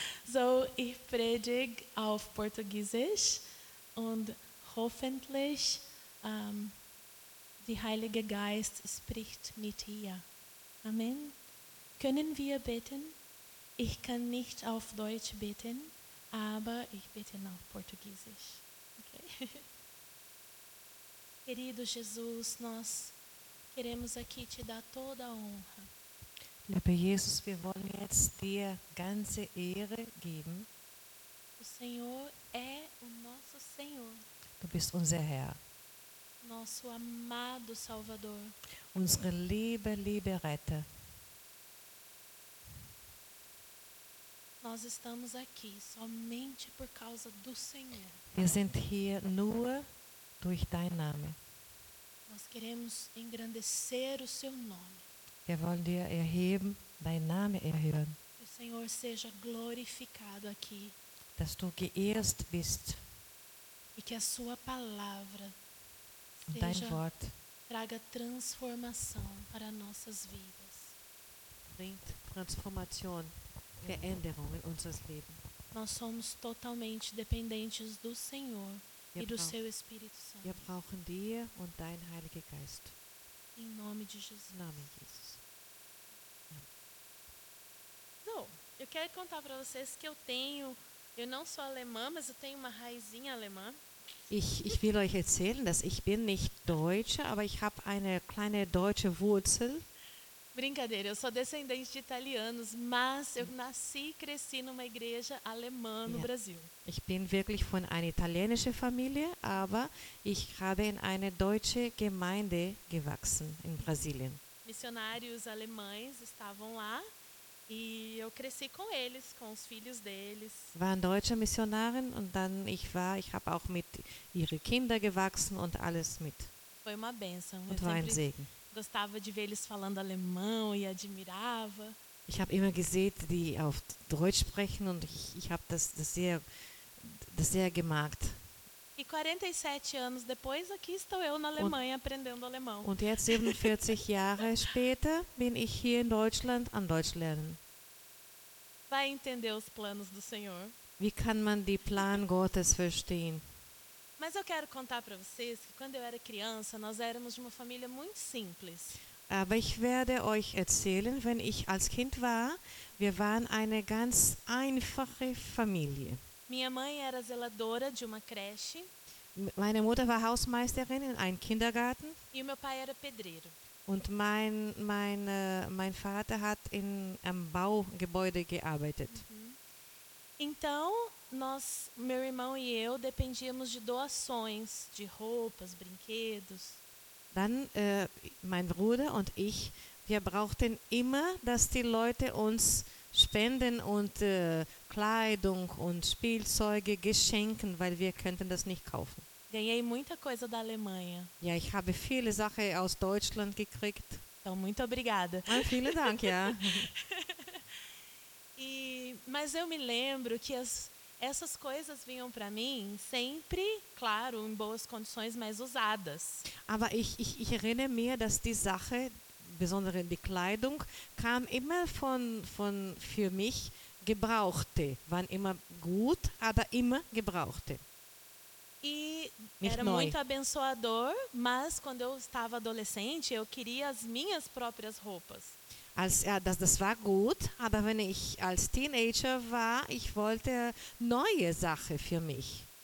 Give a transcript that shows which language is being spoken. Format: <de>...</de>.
<de>So, ich predige auf Portugiesisch und hoffentlich der Heilige Geist spricht mit ihr. Amen. Können wir beten? Ich kann nicht auf Deutsch beten, aber ich bete auf Portugiesisch. Okay.</de> <pt>Querido Jesus, nós queremos aqui te dar toda a honra.</pt> <de>Lieber Jesus, wir wollen jetzt dir ganze Ehre geben.</de> <pt>O Senhor é o nosso Senhor.</pt> <de>Du bist unser Herr.</de> <pt>Nosso amado Salvador.</pt> <de>Unsere liebe Retter.</de> <pt>Nós estamos aqui somente por causa do Senhor.</pt> <de>Wir sind hier nur durch dein Name.</de> <pt>Nós queremos engrandecer o seu nome.</pt> <de>Wir wollen dir erheben, dein Name erheben.</de> <pt>Que o Senhor seja glorificado aqui.</pt> <de>Dass du geehrt bist.</de> <pt>E que a sua palavra seja,</pt> <de>dein Wort</de> <pt>traga transformação para nossas vidas.</pt> <de>Bringt Transformation, Veränderung in unser Leben.</de> <pt>Nós somos totalmente dependentes do Senhor e do seu Espírito Santo.</pt> <de>Wir brauchen dir und dein Heiliger Geist.</de> <pt>Em nome de Jesus.</pt> <de>Im Namen Jesus. Amen.</de> <pt>So, eu quero contar para vocês que eu não sou alemã, mas eu tenho uma raizinha alemã.</pt> <de>Ich will euch erzählen, dass ich bin nicht Deutsche, aber ich habe eine kleine deutsche Wurzel.</de> <pt>Brincadeira, eu sou descendente de italianos, mas eu nasci e cresci numa igreja alemã no Brasil.</pt> <de>Ich bin wirklich von einer italienischen Familie, aber ich habe in eine deutsche Gemeinde gewachsen in Brasilien.</de> <pt>Missionários alemães estavam lá e eu cresci com eles, com os filhos deles.</pt> <de>Waren deutsche Missionare und dann ich habe auch mit ihre Kinder gewachsen und alles mit.</de> <pt>Foi uma bênção.</pt> <de>Und war ein Segen.</de> <pt>Gostava de ver eles falando alemão e admirava.</pt> <de>Ich habe immer gesehen, die auf Deutsch sprechen und ich habe das sehr gemacht.</de> <pt>E 47 anos depois aqui estou eu na Alemanha aprendendo alemão.</pt> <de>Und jetzt 47 Jahre später bin ich hier in Deutschland am Deutsch lernen.</de> <pt>Vai entender os planos do Senhor.</pt> <de>Wie kann man die Plan Gottes verstehen?</de> <pt>Mas eu quero contar para vocês que quando eu era criança, nós éramos de uma família muito simples.</pt> <de>Aber ich werde euch erzählen, wenn ich als Kind war, wir waren eine ganz einfache Familie.</de> <pt>Minha mãe era zeladora de uma creche.</pt> <de>Meine Mutter war Hausmeisterin in einem Kindergarten.</de> <pt>E o meu pai era pedreiro.</pt> <de>Und mein Vater hat in einem Baugebäude gearbeitet.</de> <pt>Então, nós, meu irmão e eu, dependíamos de doações, de roupas, brinquedos.</pt> <de>Dann mein Bruder und ich, wir brauchten immer, dass die Leute uns Spenden und Kleidung und Spielzeuge, Geschenken, weil wir könnten das nicht kaufen.</de> <pt>Ganhei muita coisa da Alemanha.</pt> <de>Ja, ich habe viele Sachen aus Deutschland gekriegt.</de> <pt>Então, muito obrigada.</pt> <de>Ah, vielen Dank, ja.</de> <pt>Mas eu me lembro que essas coisas vinham para mim sempre, claro, em boas condições, mas usadas.</pt> <de>Aber ich erinnere mir, dass die Sache, besonders die Kleidung, kam immer von für mich gebrauchte, waren immer gut, aber immer gebrauchte.</de> <pt>E era muito abençoador, mas quando eu estava adolescente, eu queria as minhas próprias roupas.</pt> <de>Das war gut, aber wenn ich als Teenager war, ich wollte neue Sachen für mich.</de>